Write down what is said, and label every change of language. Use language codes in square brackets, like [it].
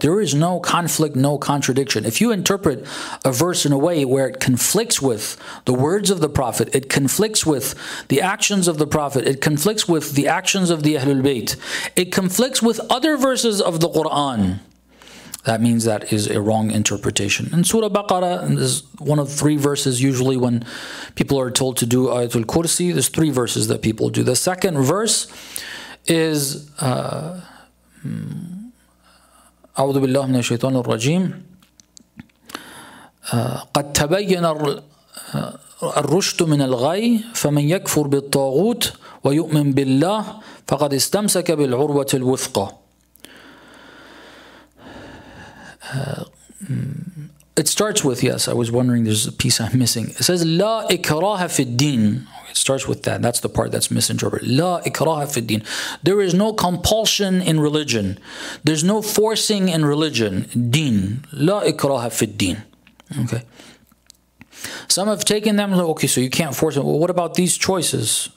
[en] There is no conflict, no contradiction. If you interpret a verse in a way where it conflicts with the words of the Prophet, it conflicts with the actions of the Prophet, it conflicts with the actions of the Ahlul Bayt, it conflicts with other verses of the Quran, that means that is a wrong interpretation. And Surah Baqarah is one of three verses usually when people are told to do Ayatul Kursi. There's three verses that people do. The second verse is [ar] أعوذ بالله من الشيطان الرجيم قد تبين الرشد من الغي فمن يكفر بالطاغوت ويؤمن بالله فقد استمسك بالعروة الوثقى. [en] It starts with, yes, I was wondering, there's a piece I'm missing. It says, [ar] لا إكراه في الدين. [en] It starts with that. That's the part that's misinterpreted. [ar] لا إكراه في الدين. [en] There is no compulsion in religion. There's no forcing in religion. [ar] دين. لا إكراه في الدين. Okay. [en] Some have taken them, okay, so you can't force them. Well, what about these choices?